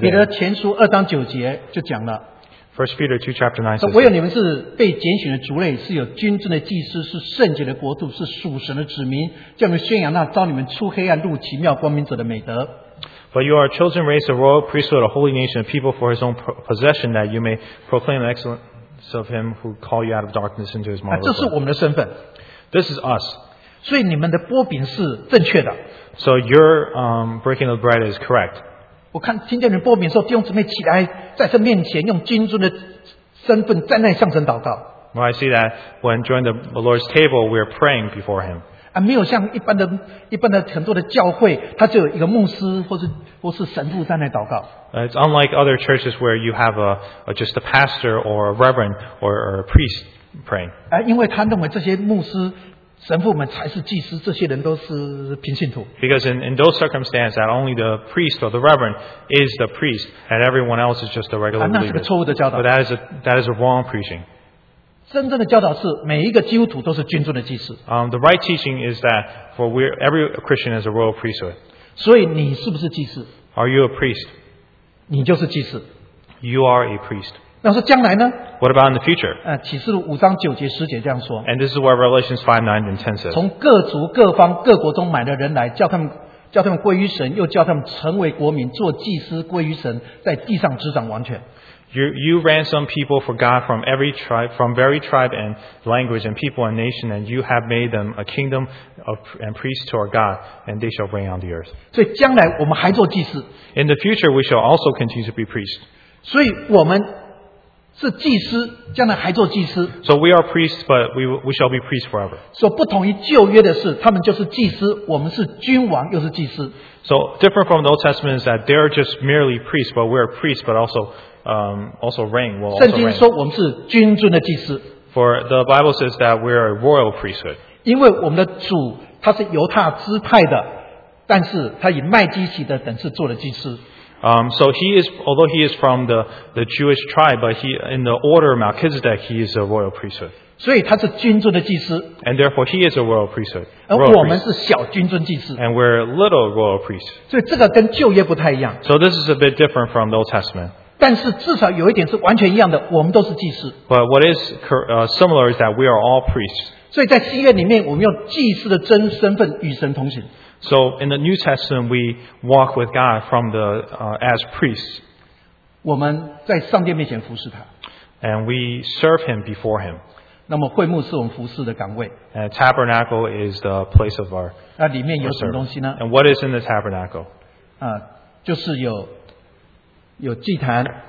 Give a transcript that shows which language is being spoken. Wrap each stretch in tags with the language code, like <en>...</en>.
<zh>彼得前书二章九节就讲了。</zh> <en>First Peter 2 chapter 9 says.</en> <zh>唯有你们是被拣选的族类，是有君尊的祭司，是圣洁的国度，是属神的子民，叫你们宣扬那召你们出黑暗入奇妙光明者的美德。</zh> <en>But you are a chosen race, a royal priesthood, a holy nation, a people for his own possession, that you may proclaim the excellence of him who called you out of darkness into his marvelous light.</en> <zh>这是我们的身份。</zh> <en>This is us.</en> <zh>所以你们的擘饼是正确的。</zh> <en>So your breaking of bread is correct.</en> <zh>我看听见你擘饼的时候，弟兄姊妹起来，在神面前用金尊的身份站在向神祷告。</zh> <en>Well, I see that when joining the Lord's table, we are praying before Him.</en> <zh>没有像一般的很多的教会，它只有一个牧师或是神父站在祷告。</zh> <en>It's unlike other churches where you have just a pastor or a reverend or a priest.</en> <zh>因为他认为这些牧师、神父们才是祭司，这些人都是平信徒。</zh> <en>Because in those circumstances, that only the priest or the reverend is the priest, and everyone else is just a regular believer.</en> <zh>那是个错误的教导。</zh> <en>But that is a wrong preaching.</en> <zh>真正的教导是每一个基督徒都是君尊的祭司。</zh> <en>The right teaching is that for every Christian is a royal priesthood.</en> <zh>所以你是不是祭司</zh> <en>？Are you a priest?</en> <zh>你就是祭司。</zh> <en>You are a priest.</en> <zh>那说将来呢</zh> <en>？What about in the future？</en> <zh>启示录五章九节十节这样说。</zh> <en>And this is where Revelation 5:9-10 says。</en> <zh>从各族、各方、各国中买的人来，叫他们归于神，又叫他们成为国民，做祭司归于神，在地上执掌王权。</zh> <en>You ransom people for God from every tribe, from every tribe and language and people and nation, and you have made them a kingdom of and priests to our God, and they shall reign on the earth。</en> <zh>所以将来我们还做祭司。</zh> <en>In the future, we shall also continue to be priests。</en> <zh>所以我们。是祭司，将来还做祭司。</zh> <en>So we are priests, but we shall be priests forever.</en> <zh>所不同于旧约的是，他们就是祭司，我们是君王，又是祭司。</zh> <en>So different from the Old Testament is that they are just merely priests, but we are priests, but also also reign. Will also</en> <zh>圣经说我们是君尊的祭司。</zh> <en>For the Bible says that we are a royal priesthood.</en> <zh>因为我们的主他是犹太支派的，但是他以麦基洗的等次做了祭司。</zh> <en>So he is, although he is from the Jewish tribe, but he, in the order of Melchizedek, he is a royal priesthood.</en> <zh>所以他是君尊的祭司。</zh> <en>And therefore he is a royal priesthood.</en> <zh>而我们是小君尊祭司。</zh> <en>And we're little royal priests.</en> <zh>所以这个跟旧约不太一样。</zh> <en>So this is a bit different from the Old Testament.</en> <zh>但是至少有一点是完全一样的，我们都是祭司。</zh> <en>But what is similar is that we are all priests.</en> <zh>所以在新约里面，我们用祭司的真身份与神同行。</zh> <en>So in the New Testament, we walk with God from the as priests.</en> <zh>我们在上帝面前服侍他。</zh> <en>And we serve Him before Him.</en> <zh>那么会幕是我们服侍的岗位。</zh> <en>And tabernacle is the place of our.</en> <zh>那里面有什么东西呢</zh> <en>？And what is in the tabernacle?</en> <zh>就是有祭坛。</zh>